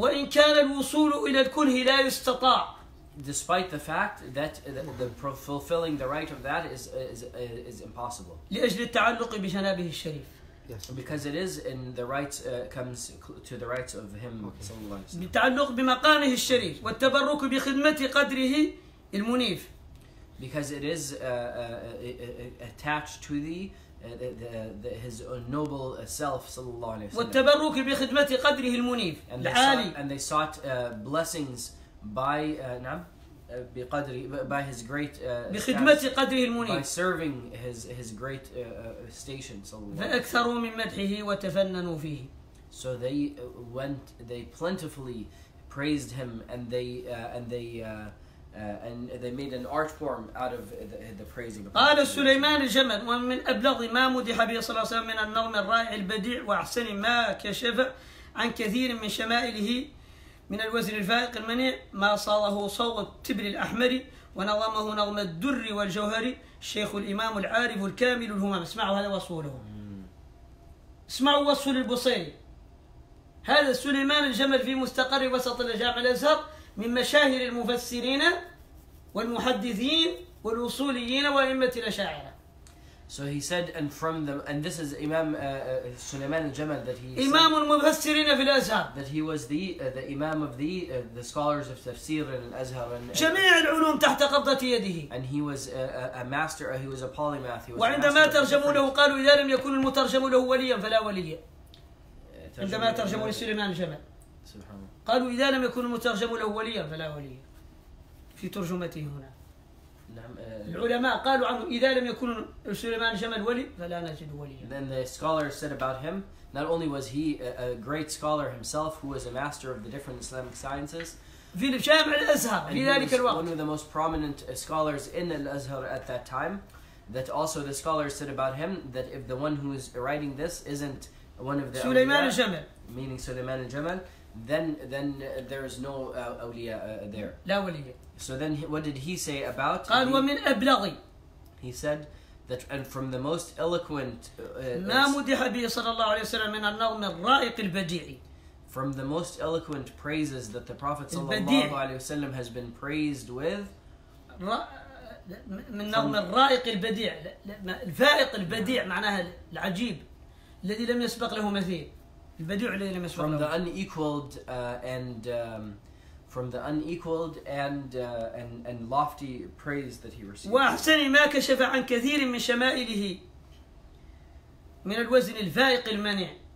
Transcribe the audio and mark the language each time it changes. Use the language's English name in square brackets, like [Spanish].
[Arabic] وإن كان الوصول إلى الكله لا يستطاع. [English] Despite the fact that the fulfilling the right of that is impossible. [Arabic] لأجل التعلق بجنابه الشريف. [English] Yes. Because it is in the rights comes to the rights of him. [Arabic] Okay. صلى الله عليه وسلم. بالتعلق بمقامه الشريف والتبرك بخدمة قدره المنيف. [English] Because it is attached to his noble self صلى الله عليه وسلم. [Arabic] والتبرك بخدمة قدره المنيف. [English] And they [Arabic] العالي. [English] Sought, and they sought blessings. By نعم بقدر by his great [Arabic] بخدمة قدره المنيف [English] by serving his great station صلى الله عليه وسلم [Arabic] فأكثروا من مدحه وتفننوا فيه [English] so they went they plentifully praised him and they made an art form out of the praising [Arabic] قال سليمان الجمل ومن أبلغ ما مدح به صلى الله عليه وسلم من النغم الرائع البديع وأحسن ما كشف عن كثير من شمائله من الوزن الفائق المنيع ما صاله صوغ التبر الأحمر ونظمه نظم الدر والجوهر الشيخ الإمام العارف الكامل الهمام. اسمعوا هذا وصوله. اسمعوا وصف للبصيري. هذا سليمان الجمل في مستقر وسط جامع الأزهر من مشاهير المفسرين والمحدثين والوصوليين وأئمة الأشاعرة. [English] So he said, and from them, and this is Imam Sulaiman al-Jamal that he [Arabic] Imam al-Mufassirin fi al-Azhar. [English] That he was the Imam of the scholars of Tafsir in al-Azhar. [Arabic] جميع العلوم تحت قبضة يده. [English] And he was a master. He was a polymath. He was. [Arabic] وعندما ترجموا له قالوا إذا لم يكن المترجم له وليا فلا ولي. عندما ترجموا لسليمان الجمل. سبحان. قالوا إذا لم يكن المترجم له وليا فلا ولي. في ترجمته هنا. العلماء قالوا عنه إذا لم يكن سليمان جمل ولي فلا نجد وليا. [English] Then the scholars said about him, not only was he a great scholar himself who was a master of the different Islamic sciences. [Arabic] في جامع الأزهر في ذلك الوقت. [English] One of the most prominent scholars in Al-Azhar at that time. That also the scholars said about him that if the one who is writing this isn't one of the [Arabic] سليمان الجمل. [English] Meaning سليمان الجمل. Then there is no awliya there. [Arabic] لا ولي. [English] So then, what did he say about? [Arabic] قال ومن أبلغي. [English] He said that, and from the most eloquent. [Arabic] ما مدح به صلى الله عليه وسلم من النظم الرائق البديع. [English] From the most eloquent praises that the Prophet صلى الله عليه وسلم has been praised with. [Arabic] من النظم الرائق البديع. الفائق البديع معناها العجيب الذي لم يسبق له مثيل. البديع الذي لم يسبق له. [English] From the unequaled and. From the unequaled and lofty praise that he received. [Arabic] وأحسن ما كشف عن كثير من شمائله من الوزن الفائق المنع.